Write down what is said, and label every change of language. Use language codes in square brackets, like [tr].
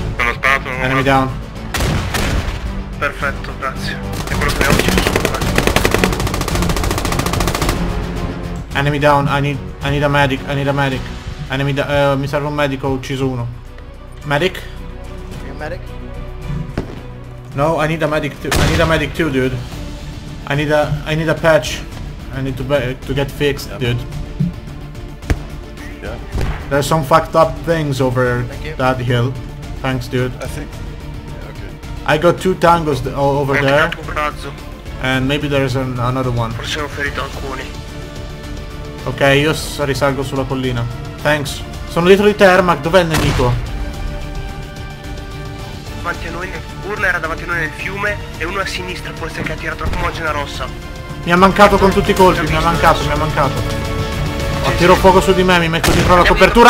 [it] Sono sparato. [en] Enemy down. [it] Perfetto, grazie. È quello che ho ucciso. [en] Enemy down. I need a medic. [it] Mi serve un medico. Ho ucciso uno. [en] Medic? You medic? No, I need a medic too, dude. I need a patch. I need to get fixed, yep. Dude. There's some fucked up things over that hill. Thanks, dude. I think. Okay. I got 2 tangos over there. And maybe there's another one. [it] Forse ho ferito alcuni. Ok, io risalgo sulla collina. [en] Thanks. [it] Sono dietro di te, Ermac. Dov'è il nemico? Davanti a noi. Urla era davanti a noi nel fiume. E uno a sinistra, forse, che ha tirato la fumogena rossa. Mi ha mancato con tutti i colpi. Mi ha mancato. Ma tiro fuoco su di me, mi metto dietro la copertura.